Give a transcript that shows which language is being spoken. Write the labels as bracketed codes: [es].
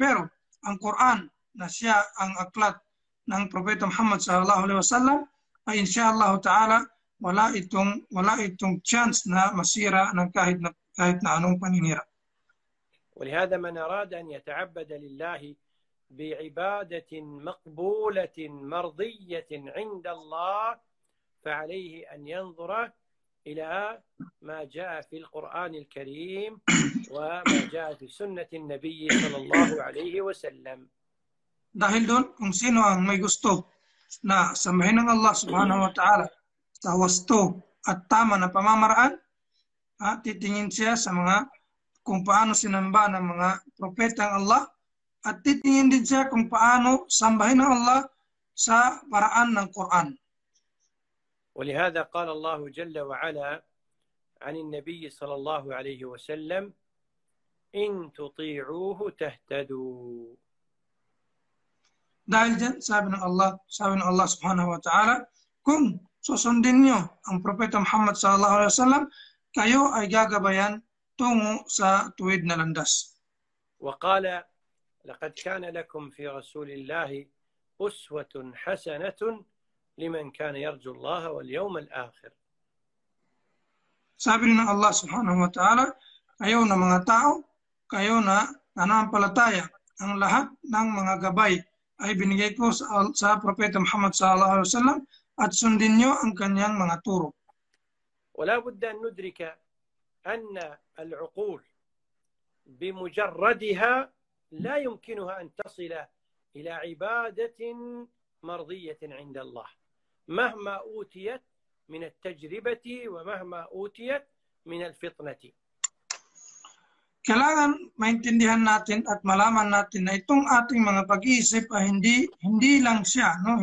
[tl] Pero ang Quran na siya ang aklat ng Propeta Muhammad sallallahu alaihi wasallam ay insyaallah ta'ala wala itong chance na masira ng kahit na anong paninira. [ar] ولهذا من أراد أن يتعبد لله بعبادة مقبولة مرضية عند الله فعليه أن ينظر إلى ما جاء في القرآن الكريم وما جاء في سنة النبي صلى الله عليه وسلم. [tl] Dahil doon, kung sino ang may gusto na samahin ng Allah subhanahu wa ta'ala sa wasto at tama na pamamaraan, titingin siya sa mga kung paano sinamba ng mga propeta ng Allah at titingin din siya kung paano sambahin ng Allah sa paraan ng Quran. [ar] ولهذا قال الله جل وعلا عن النبي صلى الله عليه وسلم إن تطيعوه تهتدوا. [tl] Dahil dyan, sabi ng Allah subhanahu wa ta'ala, kung susundin niyo ang propeta Muhammad sallallahu alaihi wasallam, kayo ay gagabayan tungo sa tuwid na landas. [ar] وقال لقد كان لكم في رسول الله أسوة حسنة لمن كان يرجو الله واليوم الآخر. [tl] Sabi ng Allah subhanahu wa ta'ala, kayo na mga tao, kayo na nanampalataya, ang lahat ng mga gabay ay binigay ko sa Propeta Muhammad sallallahu alaihi wasallam at sundin niyo ang kanyang mga turo. [ar] Wala budda an nudrika أن العقول بمجردها لا يمكنها أن تصل إلى عبادة مرضية عند الله مهما أوتيت من التجربة ومهما أوتيت من الفطنة. [tl] Kailangan maintindihan natin at malaman natin na itong ating mga pag-iisip ay hindi lang siya, no?